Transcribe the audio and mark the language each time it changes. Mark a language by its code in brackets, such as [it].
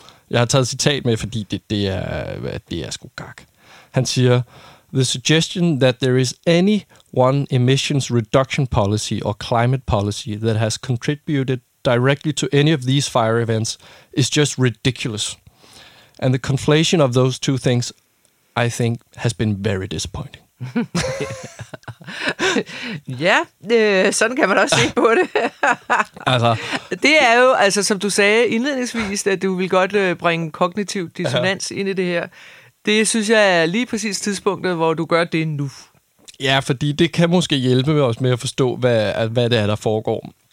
[da] Jeg har taget citat med, fordi det er sgu gak. Han siger, [en] "The suggestion that there is any one emissions reduction policy or climate policy that has contributed directly to any of these fire events is just ridiculous. And the conflation of those two things, I think, has been very disappointing." [da] Ja, sådan kan man også se på det. Altså, det er jo, altså, som du sagde indledningsvis, at du vil godt bringe kognitiv dissonans ind i det her. Det synes jeg er lige præcis tidspunktet, hvor du gør det nu. Ja, fordi det kan måske hjælpe os med at forstå, hvad det er, der foregår.